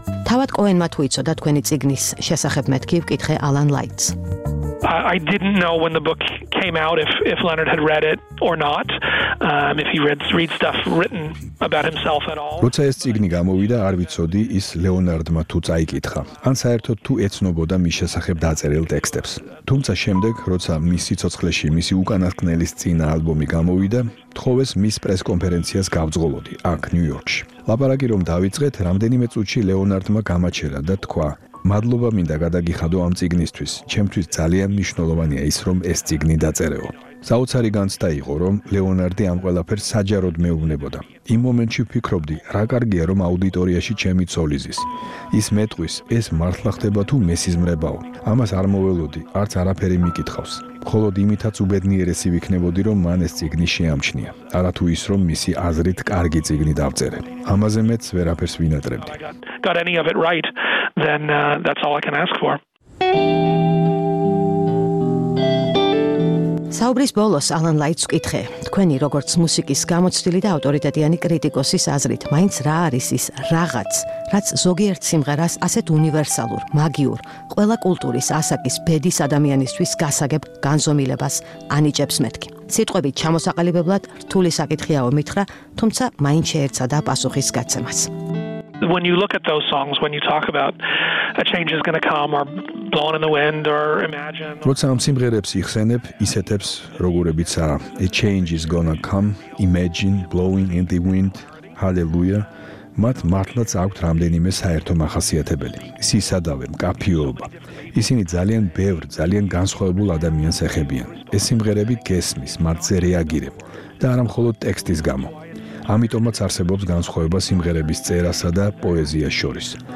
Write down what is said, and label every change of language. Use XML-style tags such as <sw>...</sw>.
<ka>თავად კოენმა თუ იცოდა თქვენი წიგნის შესახებ მეთქი, ვკითხე Alan Lights.</ka> <en>I didn't know when the book came out if Leonard had read it or not. If he read stuff written about himself at all.</en> <ka>როცა ეს წიგნი გამოვიდა, არ ვიცოდი ის ლეონარდმა თუ წაიკითხა. ან საერთოდ თუ ეცნობოდა მის შესახებ დაწერილ ტექსტებს. თუმცა შემდეგ, როცა მის სიცოცხლეში მისი უკანასკნელის წინა ალბომი გამოვიდა, თხოვეს მის პრეს კონფერენციას გავძღოლოდი აქ ნიუ-იორკში. ლაპარაკი რომ დავიწყეთ, რამდენიმე წუთში ლეონარდმა გამაჩერა და თქვა: მადლობა მინდა გადაგიხადო ამ წიგნისთვის. ჩემთვის ძალიან მნიშვნელოვანია ის, რომ ეს წიგნი დაწერეო. საოცარი განცდა იყო, რომ ლეონარდი ამ ყველაფერს საჯაროდ მეუბნებოდა. იმ მომენტში ვფიქრობდი, რა კარგია, რომ აუდიტორიაში ჩემი ცოლი ზის. ის მეტყვის, ეს მართლა ხდება თუ მესიზმრებაო. ამას არ მოველოდი, არც არაფერი მიკითხავს. მხოლოდ იმითაც უბედნიერესი ვიქნებოდი, რომ მან ეს წიგნი შეამჩნია. არა თუ ის, რომ მისი აზრით კარგი წიგნი დავწერე. ამაზე მეც ვერაფერს ვინატრებდი.</ka> <en>Got any of it right, then that's all I can ask for.</en> <ka>საუბრის ბოლოს Alan Lights კითხე, თქვენი როგორც მუსიკის გამოცდილი და ავტორიტეტიანი კრიტიკოსის აზრით, მაინც რა არის ის რაღაც, რაც ზოგიერთ სიმღერას ასეთ უნივერსალურ, მაგიურ, ყველა კულტურის ასაკის ბედის ადამიანისთვის გასაგებ განზომილებას ანიჭებს მეთქი? სიტყვები ჩამოსაყალიბებლად რთული საკითხია ომითხრა, თუმცა მაინც შეერცადა პასუხის გაცემას.</ka> <en>When you look at those songs, when you talk about a change is going to come or blown in the wind or imagine.</en> <ka>როცა ამ სიმღერებს იხსენებ, ისეთებს, როგორებიცა a change is going to come, imagine, blowing in the wind, hallelujah. მათ მართლაც აქვთ რამდენიმე საერთო მახასიათებელი. ის ისადავე მკაფიობა. ისინი ძალიან ბევრ, ძალიან განსხვავებულ ადამიანს ეხებიან. ეს სიმღერები გესმის, მარტო რეაგირებ და არა მხოლოდ ტექსტის გამო. ამიტომაც არსებობს განსხვავება სიმღერების წერასა და პოეზიას შორის.</ka>